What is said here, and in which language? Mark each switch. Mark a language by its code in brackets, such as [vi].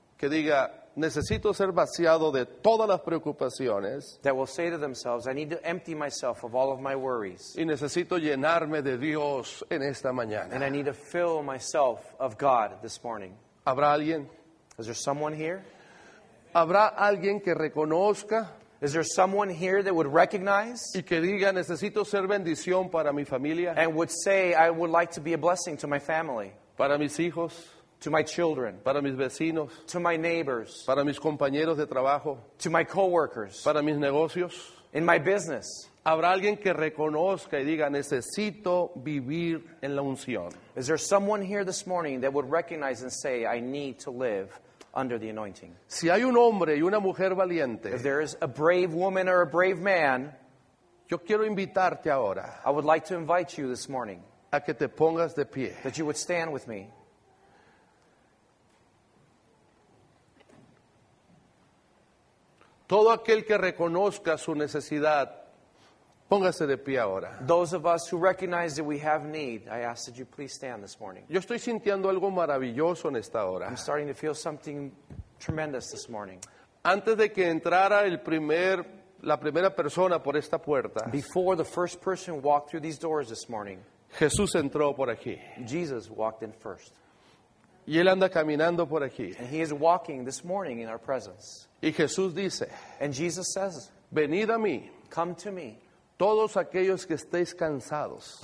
[es] que diga, necesito ser vaciado de todas las preocupaciones? [en] That will say to themselves, I need to empty myself of all of my worries. [es] Y necesito llenarme de Dios en esta mañana. [en] And I need to fill myself of God this morning. [es] ¿Habrá alguien? [en] Is there someone here? [es] ¿Habrá alguien que reconozca? [en] Is there someone here that would recognize? [es] Y que diga, necesito ser bendición para mi familia. [en] And would say, I would like to be a blessing to my family. [es] Para mis hijos. [en] To my children, [es] para mis vecinos, [en] to my neighbors, [es] para mis compañeros de trabajo, [en] to my coworkers, [es] para mis negocios, [en] in my business. [es] ¿Habrá alguien que reconozca y diga, necesito vivir en la unción? [en] Is there someone here this morning that would recognize and say, I need to live under the anointing? [es] Si hay un hombre y una mujer valiente, [en] if there is a brave woman or a brave man, [es] yo quiero invitarte ahora, [en] I would like to invite you this morning, [es] a que te pongas de pie, [en] that you would stand with me. [es] Todo aquel que reconozca su necesidad, póngase de pie ahora. [en] Those of us who recognize that we have need, I ask that you please stand this morning. [es] Yo estoy sintiendo algo maravilloso en esta hora. [en] I'm starting to feel something tremendous this morning. [es] Antes de que entrara la primera persona por esta puerta, [en] before the first person walked through these doors this morning, [es] Jesús entró por aquí. [en] Jesus walked in first. [es] Y Él anda caminando por aquí. [en] And He is walking this morning in our presence. [es] Y Jesús dice, [en] and Jesus says, [es] venid a mí, [en] come to me, [es] todos aquellos que estéis cansados,